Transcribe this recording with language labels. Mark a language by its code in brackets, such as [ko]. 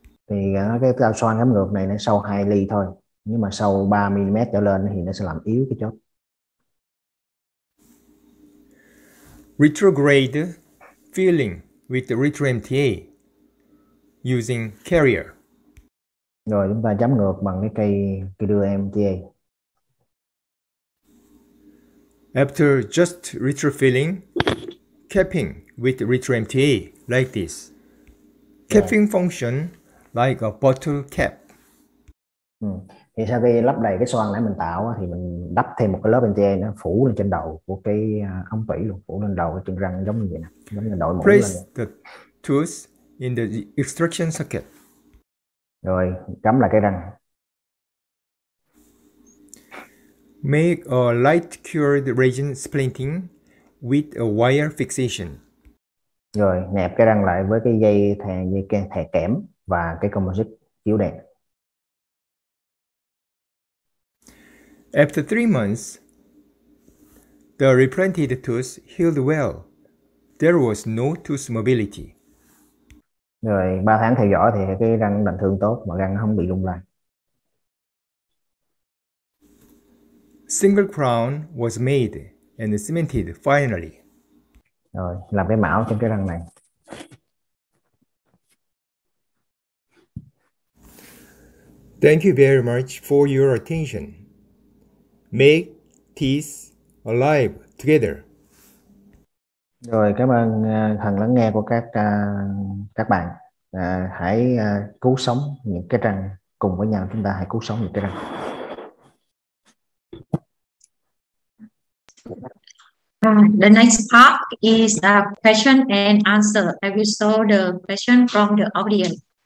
[vi] Thì cái tạo xoang gắm ngược này nó sâu 2 ly thôi, nhưng mà sâu 3 mm trở lên thì nó sẽ làm yếu cái chốt. [en] Retrograde filling with the retro MTA using carrier. [vi] Rồi chúng ta gắm ngược bằng cái cây cái đưa MTA. [en] After just retro filling, capping with retro MTA like this. Capping yeah. Function like a bottle cap. [vi] Thì sau khi lắp đầy cái xoang nãy mình tạo thì mình đắp thêm một cái lớp MTA nó phủ lên trên đầu của cái ống tủy luôn, phủ lên đầu cái chân răng giống như vậy nè, giống như đội mũ. [en] Place the tooth in the extraction socket. [vi] Rồi cắm lại cái răng. [en] Make a light cured resin splinting with a wire fixation. [vi] Rồi nẹp cái răng lại với cái dây thẻ kẽm và cái composite chiếu đèn. [en] After 3 months, the replanted tooth healed well. There was no tooth mobility. [vi] Rồi 3 tháng theo dõi thì cái răng lành thương tốt mà răng không bị lung lay. [en] Single crown was made and cemented finally. [vi] Rồi làm cái mão trên cái răng này. [en] Thank you very much for your attention. Make teeth alive together. [vi] Rồi cảm ơn phần lắng nghe của các bạn. Hãy cứu sống những cái răng cùng với nhau, chúng ta hãy cứu sống những cái răng. [en] The next part is a question and answer. I will show the question from the audience.